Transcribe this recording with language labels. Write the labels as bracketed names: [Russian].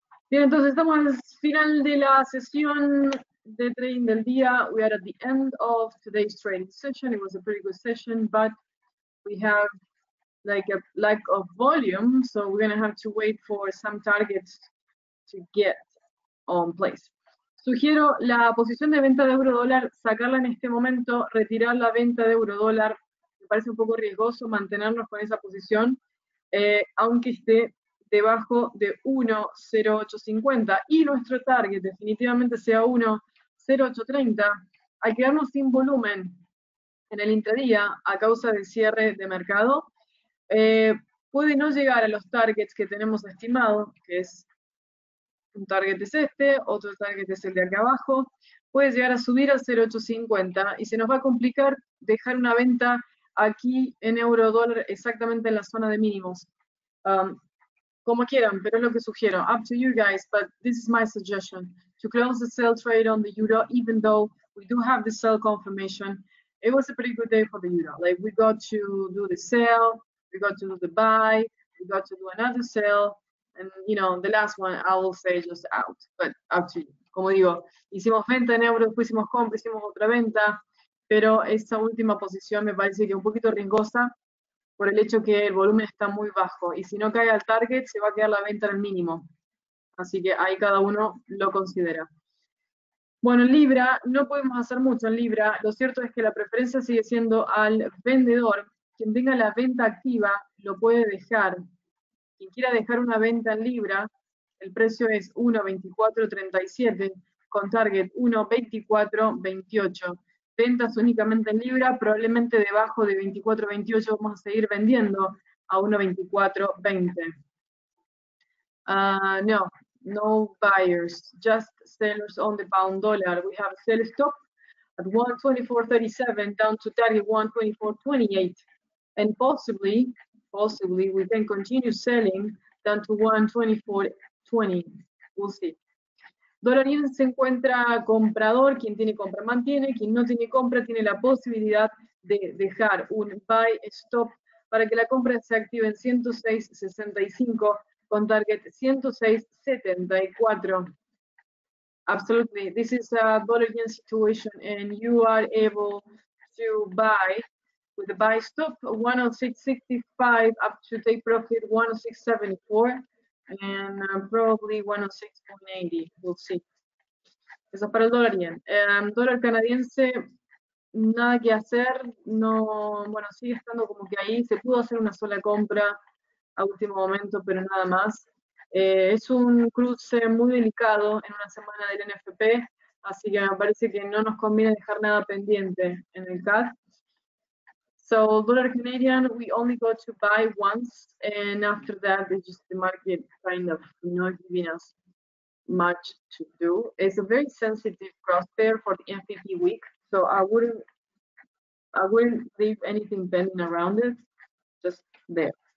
[Spanish] Bien, entonces estamos al final de la sesión de trading del día. [English] We are at the end of today's trading session. It was a pretty good session, but we have like a lack of volume, so we're going to have to wait for some targets to get on place. [Spanish] Sugiero la posición de venta de euro dólar, sacarla en este momento, retirar la venta de euro dólar. Me parece un poco riesgoso mantenernos con esa posición, aunque esté debajo de 1.0850 y nuestro target definitivamente sea 1.0830, al quedarnos sin volumen en el intradía a causa del cierre de mercado, puede no llegar a los targets que tenemos estimado, que es un target es este, otro target es el de acá abajo, puede llegar a subir a 0.850 y se nos va a complicar dejar una venta aquí en euro dólar exactamente en la zona de mínimos. Como quieran, pero es lo que sugiero. [English] Up to you guys, but this is my suggestion. To close the sell trade on the euro, even though we do have the sell confirmation, it was a pretty good day for the euro. Like, we got to do the sell, we got to do the buy, we got to do another sell, and, you know, the last one, I will say just out, but up to you. [Spanish] Como digo, hicimos venta en euros, después hicimos compra, hicimos otra venta, pero esta última posición me parece que es un poquito riesgosa, por el hecho que el volumen está muy bajo. Y si no cae al target, se va a quedar la venta al mínimo. Así que ahí cada uno lo considera. Bueno, en Libra, no podemos hacer mucho en Libra. Lo cierto es que la preferencia sigue siendo al vendedor. Quien tenga la venta activa, lo puede dejar. Quien quiera dejar una venta en Libra, el precio es 1.2437, con target 1.2428. Ventas únicamente en Libra, probablemente debajo de 24.28 vamos a seguir vendiendo a 1.2420. [English] No, no buyers, just sellers on the pound dollar. We have a sell stop at 1.2437 down to target 1.2428. And possibly we can continue selling down to 1.2420. We'll see. [Spanish] Dólar yen se encuentra comprador, quien tiene compra mantiene, quien no tiene compra tiene la posibilidad de dejar un buy stop para que la compra se active en 106.65 con target 106.74. [English] Absolutely, this is a dollar yen situation and you are able to buy with a buy stop 106.65 up to take profit 106.74. And probably 106.80, we'll see. [Spanish] Eso es para el dólar yen. Dólar canadiense, nada que hacer. No, bueno, sigue estando como que ahí. Se pudo hacer una sola compra a último momento, pero nada más. Es un cruce muy delicado en una semana del NFP, así que me parece que no nos conviene dejar nada pendiente en el CAD. [English] So, dollar Canadian, we only got to buy once, and after that, it's just the market kind of not giving us much to do. It's a very sensitive cross pair for the NFP week, so I wouldn't leave anything pending around it, just there.